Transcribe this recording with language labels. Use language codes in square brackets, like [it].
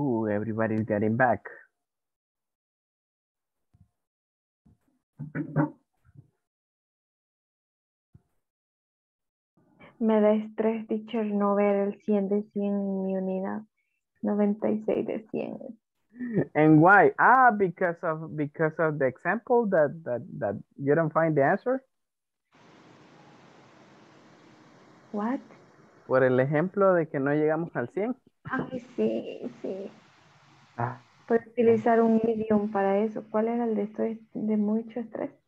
[en] everybody's getting back. [es] Me da estrés, teacher, no ver el 100 de 100 en mi unidad. 96 de 100. [en] And why? Ah, because of the example that you don't find the answer. What? [es] Por el ejemplo de que no llegamos al 100. Ay, sí, sí. Puedes utilizar un idiom para eso. ¿Cuál era el de estoy de mucho estrés?